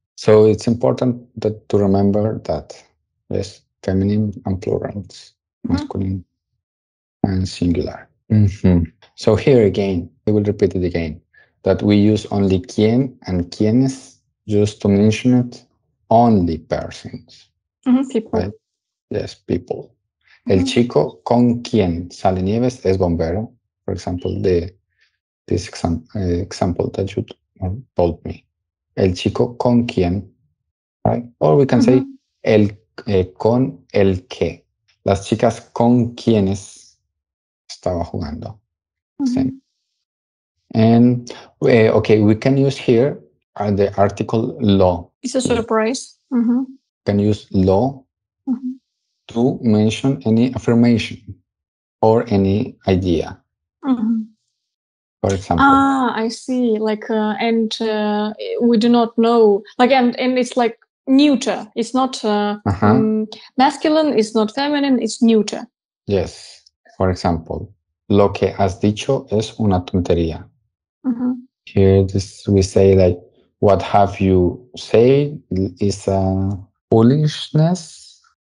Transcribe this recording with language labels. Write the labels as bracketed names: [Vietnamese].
[English] So it's important that, to remember that, yes, feminine and plurals, masculine mm-hmm. and singular. Mm-hmm. So here again, I will repeat it again. That we use only quien and quienes just to mention it, only persons. Mm-hmm, people. Right? Yes, people. Mm-hmm. [Spanish] El chico con quien sale nieves es bombero. [English] For example, this example that you told me. [Spanish] El chico con quien, right? [English] Or we can mm-hmm. say [Spanish] el con el que. Las chicas con quienes estaba jugando. [English] Mm-hmm. Same. And, okay, we can use here the article lo. It's a surprise. Mm-hmm. We can use lo mm-hmm. to mention any affirmation or any idea. Mm-hmm. For example. Ah, I see. Like, we do not know. Like, and it's like neuter. It's not uh-huh. Masculine, it's not feminine, it's neuter. Yes. For example, [Spanish] lo que has dicho es una tontería. [English] Mm-hmm. Here, this we say like, what have you said is a foolishness,